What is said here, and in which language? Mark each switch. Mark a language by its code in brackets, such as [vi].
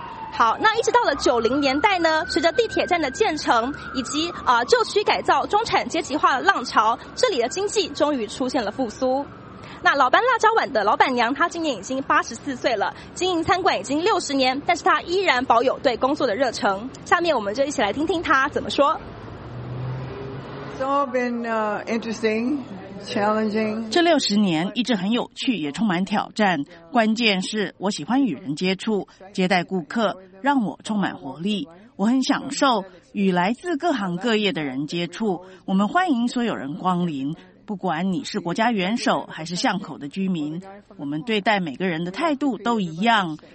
[zh] 好，那一直到了90年代呢，随着地铁站的建成以及旧区改造中产阶级化的浪潮，这里的经济终于出现了复苏。那老班辣椒碗的老板娘她今年已经84岁了，经营餐馆已经60年，但是她依然保有对工作的热忱。下面我们就一起来听听她怎么说。 [en] It's all been interesting, challenging. [zh] 这六十年一直很有趣，也充满挑战。关键是我喜欢与人接触，接待顾客让我充满活力。我很享受与来自各行各业的人接触。我们欢迎所有人光临，不管你是国家元首还是巷口的居民，我们对待每个人的态度都一样。